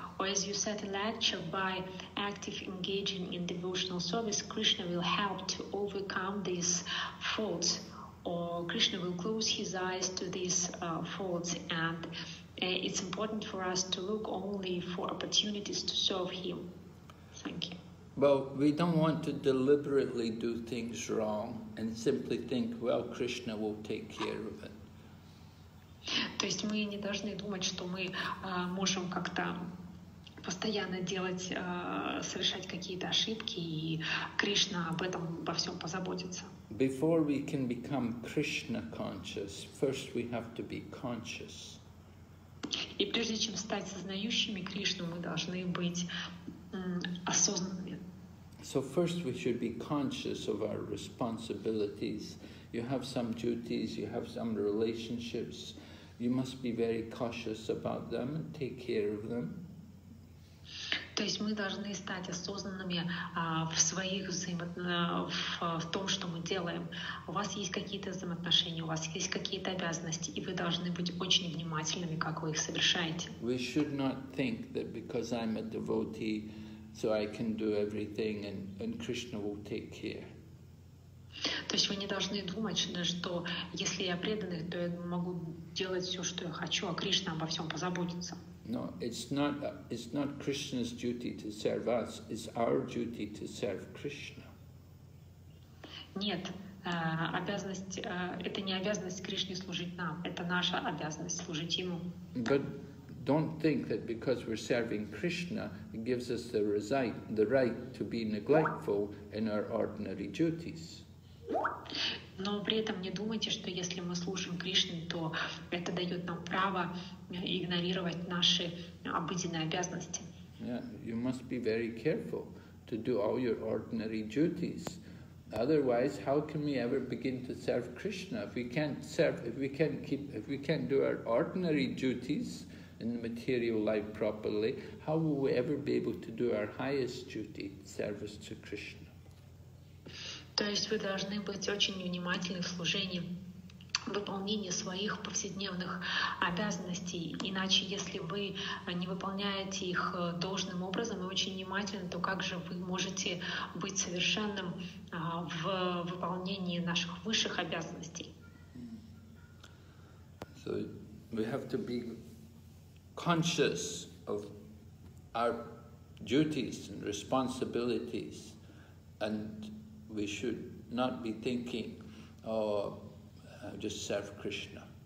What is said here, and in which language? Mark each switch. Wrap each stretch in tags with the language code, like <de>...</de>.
<en>Or as you said in lecture, by active engaging in devotional service, Krishna will help to overcome these faults, or Krishna will close his eyes to these faults, and it's important for us to look only for opportunities to serve him. Thank you. Well, we don't want to deliberately do things wrong and simply think, well, Krishna will take care of it.</en> <ru>То есть мы не должны думать, что мы можем как-то постоянно делать, совершать какие-то ошибки, и Кришна об этом во всем позаботится.</ru> <en>Before we can become Krishna conscious, first we have to be conscious.</en> <ru>И прежде чем стать сознающими Кришну, мы должны быть осознанными.</ru> <en>So first we should be conscious of our responsibilities. You have some duties, you have some relationships. You must be very cautious about them and take care of them.</en> <ru>То есть мы должны стать осознанными в своих в том, что мы делаем. У вас есть какие-то взаимоотношения, у вас есть какие-то обязанности, и вы должны быть очень внимательными, как вы их совершаете.</ru> <en>We should not think that because I'm a devotee, so I can do everything and Krishna will take care.</en> <ru>То есть вы не должны думать, что если я преданный, то я могу делать все, что я хочу, а Кришна обо всем позаботится.</ru> <en>No, it's not Krishna's duty to serve us, it's our duty to serve Krishna.</en> <ru>Нет, это не обязанность Кришне служить нам, это наша обязанность служить ему.</ru> <en>But don't think that because we're serving Krishna, it gives us the right to be neglectful in our ordinary duties.</en> <ru>Но при этом не думайте, что если мы служим Кришне, то это дает нам право игнорировать наши обыденные обязанности.</ru> <en>Yeah, you must be very careful to do all your ordinary duties. Otherwise, how can we ever begin to serve Krishna if we can't serve, if we can't do our ordinary duties in the material life properly? How will we ever be able to do our highest duty, service to Krishna?</en> <ru>То есть вы должны быть очень внимательны в служении, в выполнении своих повседневных обязанностей. Иначе, если вы не выполняете их должным образом и очень внимательно, то как же вы можете быть совершенным в выполнении наших высших обязанностей?</ru> <en>So we have to be conscious of our duties and responsibilities, and we should not be thinking, oh, just serve Krishna.</en>